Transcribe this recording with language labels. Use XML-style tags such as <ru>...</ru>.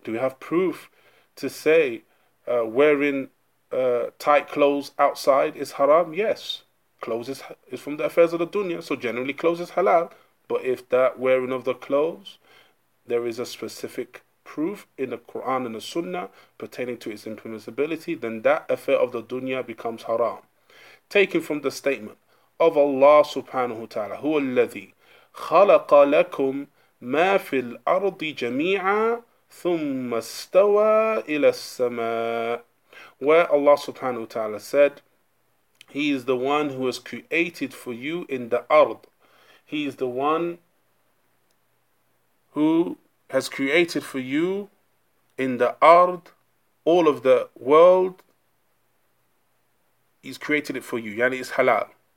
<en>Do we have proof to say wearing tight clothes outside is haram? Yes. Clothes is from the affairs of the dunya, so generally clothes is halal. But if that wearing of the clothes, there is a specific proof in the Quran and the Sunnah pertaining to its impermissibility, then that affair of the dunya becomes haram. Taken from the statement of Allah subhanahu wa ta'ala,</en> <ar>هو الذي خلق لكم ما في الأرض جميعا ثم استوى إلى السماء.</ar> <en>Where Allah subhanahu wa ta'ala said, He is the one who has created for you in the ard. He is the one who has created for you in the ard, all of the world. He's created it for you. Yani it's halal.</en>